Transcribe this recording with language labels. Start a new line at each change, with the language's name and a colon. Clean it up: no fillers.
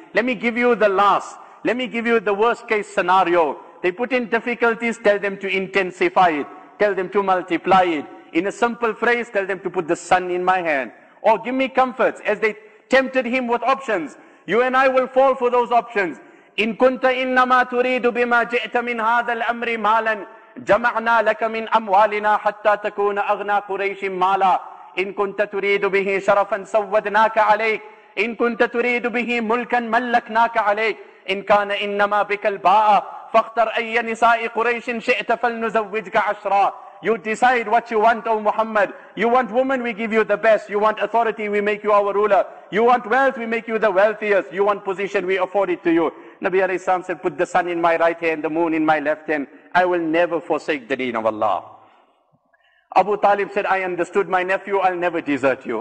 English: Let me give you the last. Let me give you the worst case scenario. They put in difficulties, tell them to intensify it. Tell them to multiply it. In a simple phrase, tell them to put the sun in my hand. Or give me comforts. As they tempted him with options, you and I will fall for those options.
Arabic: إن كنت إنما تريد بما جئت من هذا الأمر مالا جمعنا لك من أموالنا حتى تكون أغنى قريش مالا إن كنت تريد به شرفا سودناك عليك إن كنت تريد به ملكا ملكناك عليك إن كان إنما بك الباء فاختر أي نساء قريش شئت فلنزوجك عشرا.
English: You decide what you want, O Muhammad. You want women, we give you the best. You want authority, we make you our ruler. You want wealth, we make you the wealthiest. You want position, we afford it to you. Nabi alayhi salam said, put the sun in my right hand, the moon in my left hand. I will never forsake the deen of Allah. Abu Talib said, I understood my nephew, I'll never desert you.